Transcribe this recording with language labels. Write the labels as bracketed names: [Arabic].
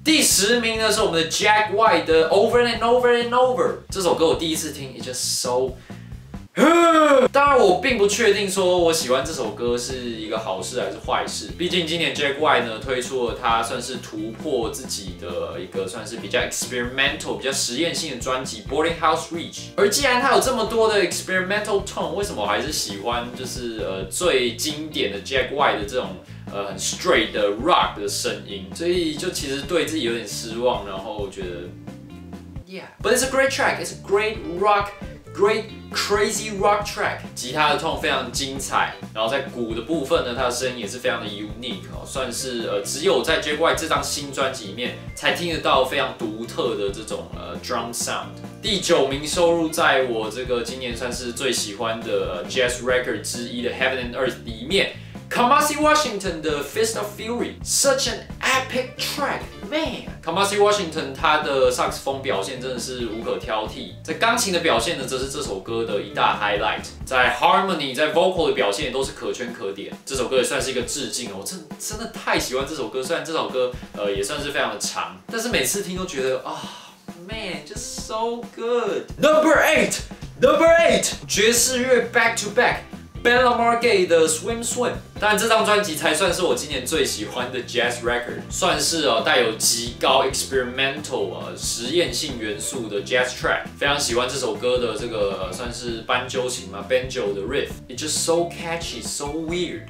[Chinese] 第十名呢是我们的 Jack White 的 Over and Over and Over。这首歌我第一次听 ， [English] It's just so。 [Chinese] 当然我并不确定说我喜欢这首歌是一个好事还是坏事，毕竟今年 Jack White 呢推出了他算是突破自己的一个算是比较 experimental 比较实验性的专辑 Boarding House Reach， 而既然他有这么多的 experimental tone， 为什么我还是喜欢就是最经典的 Jack White 的这种很 straight 的 rock 的声音，所以就其实对自己有点失望，然后觉得 [English] Yeah But it's a great track, it's a great rockGreat crazy rock track， [Chinese] 吉他的 tone 非常精彩，然后在鼓的部分呢，他的声音也是非常的 unique，算是只有在 Jack White 这张新专辑里面才听得到非常独特的这种drum sound。第九名收入在我这个今年算是最喜欢的jazz record 之一的 Heaven and Earth 里面 ，Kamasi Washington 的 Fist of Fury， [English] such an epic track。 [Chinese] Man， Kamasi Washington 他的萨克斯风表现真的是无可挑剔，在钢琴的表现呢，则是这首歌的一大 highlight， 在 harmony， 在 vocal 的表现也都是可圈可点。这首歌也算是一个致敬哦，我真的太喜欢这首歌，虽然这首歌也算是非常的长，但是每次听都觉得啊、 [English] oh, ，man， just so good。 Number eight， [Chinese] 爵士乐 [English] back to back。 [Chinese] Ben Lamar Gay 的 Swim Swim， 但这张专辑才算是我今年最喜欢的 Jazz Record， 算是带有极高 Experimental 实验性元素的 Jazz Track， 非常喜欢这首歌的这个算是班鸠琴嘛 ，Banjo 的 Riff， [English] It's just so catchy, so weird。